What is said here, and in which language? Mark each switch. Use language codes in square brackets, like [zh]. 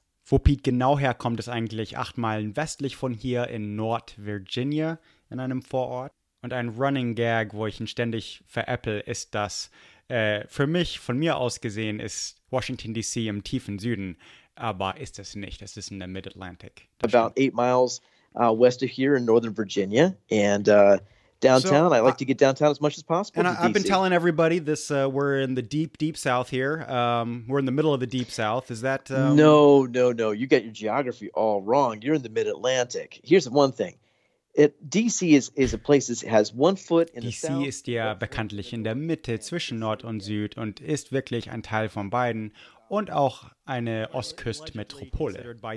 [de] Wo Piet genau herkommt, ist eigentlich 8 Meilen westlich von hier in North Virginia, in einem Vorort. Und ein Running Gag, wo ich ihn ständig veräpple, ist, dass für mich, von mir aus gesehen, ist Washington D.C. im tiefen Süden. Aber ist es nicht, es ist in der Mid-Atlantic. [en] About 8 miles west of here in Northern Virginia and downtown. So, I like to get downtown as much as possible. And I've been telling everybody this, we're in the deep, deep South here. We're in the middle of the deep South. Is that... No. You got your geography all wrong. You're in the Mid-Atlantic. Here's one thing. D.C. is a place that has one foot in the south. D.C. [de] ist ja bekanntlich in der Mitte zwischen Nord und Süd und ist wirklich ein Teil von beiden und auch eine Ostküstmetropole.